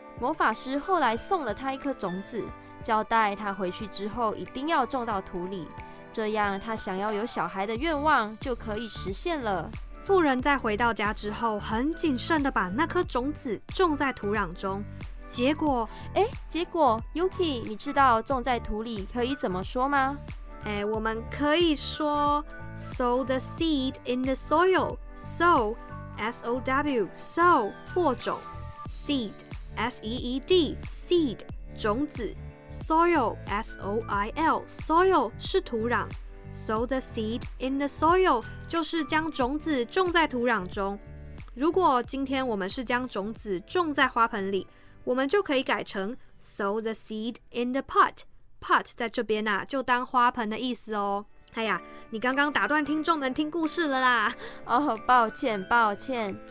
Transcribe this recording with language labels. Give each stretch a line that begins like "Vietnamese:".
Chinese: 魔法师后来送了他一颗种子，交代他回去之后一定要种到土里，这样他想要有小孩的愿望就可以实现了。妇人在回到家之后很谨慎地把那颗种子种在土壤中，结果 Yuki， 你知道种在土里可以怎么说吗？我们可以说
English: sow the seed in the soil，
Chinese: sow S-O-W， sow 播种， seed S-E-E-D， seed 种子， soil S-O-I-L， soil 是土壤， sow the seed in the soil 就是将种子种在土壤中。如果今天我们是将种子种在花盆里，我们就可以改成
English: sow the seed in the pot，
Chinese: pot 在这边啊，就当花盆的意思哦。哎呀，你刚刚打断听众们听故事了啦。哦，抱歉抱歉。